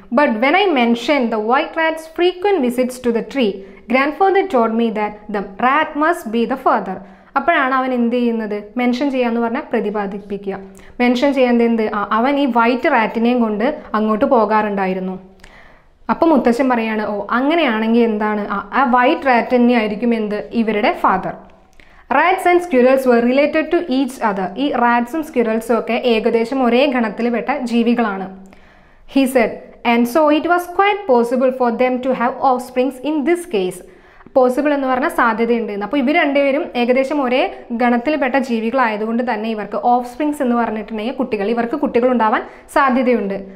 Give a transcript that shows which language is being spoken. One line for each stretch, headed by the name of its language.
English: But when I mention the white rats frequent visits to the tree, grandfather told me that the rat must be the father.
Malayalam: അപ്പോഴാണ് അവൻ എന്ത് ചെയ്യുന്നത്, mention ചെയ്യുക എന്ന് പറഞ്ഞാൽ പ്രതിപാദിപ്പിക്കുക. Mention ചെയ്യുന്നത് എന്ത്? അവൻ ഈ വൈറ്റ് റാറ്റിനെയും കൊണ്ട് അങ്ങോട്ട് പോകാറുണ്ടായിരുന്നു. അപ്പം മുത്തശ്ശൻ പറയാണ്, ഓ അങ്ങനെയാണെങ്കിൽ എന്താണ് ആ വൈറ്റ് റാറ്റ് തന്നെയായിരിക്കും എന്ത് ഇവരുടെ father.
English: Rats and squirrels were related to each other.
Malayalam: ഈ റാറ്റ്സും സ്ക്യുരൽസും ഒക്കെ ഏകദേശം ഒരേ ഗണത്തിൽ പെട്ട ജീവികളാണ്.
English: He said and so it was quite possible for them to have offsprings in this case.
Malayalam: Possible എന്ന് പറഞ്ഞാൽ സാധ്യതയുണ്ട്. അപ്പോൾ ഇവർ രണ്ടുപേരും ഏകദേശം ഒരേ ഗണത്തിൽ പെട്ട ജീവികളായതുകൊണ്ട് തന്നെ ഇവർക്ക് ഓഫ് സ്പ്രിങ്സ് എന്ന് പറഞ്ഞിട്ടുണ്ടെങ്കിൽ കുട്ടികൾ, ഇവർക്ക് കുട്ടികൾ ഉണ്ടാവാൻ സാധ്യതയുണ്ട്.